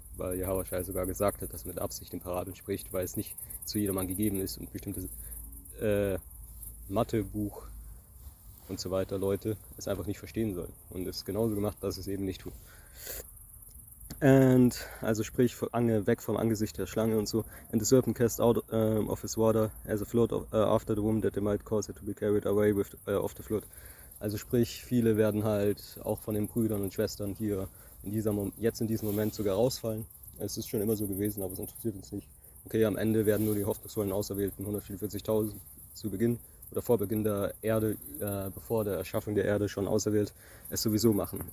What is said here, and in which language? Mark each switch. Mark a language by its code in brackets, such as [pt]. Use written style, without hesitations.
[de] Weil Jehoshua sogar gesagt hat, dass er mit Absicht in Parabeln spricht, weil es nicht zu jedermann gegeben ist und bestimmte Mathebuch und so weiter Leute es einfach nicht verstehen sollen. Und es ist genauso gemacht, dass es eben nicht tut. And also sprich weg vom Angesicht der Schlange und so. [en] And the serpent cast out of his water as a flood after the woman that they might cause it to be carried away with of the flood. [de] Also sprich, viele werden halt auch von den Brüdern und Schwestern hier jetzt in diesem Moment sogar rausfallen. Es ist schon immer so gewesen, aber es interessiert uns nicht. Okay, am Ende werden nur die hoffnungsvollen Auserwählten, 144.000 zu Beginn oder vor Beginn der Erde, bevor der Erschaffung der Erde schon auserwählt, es sowieso machen.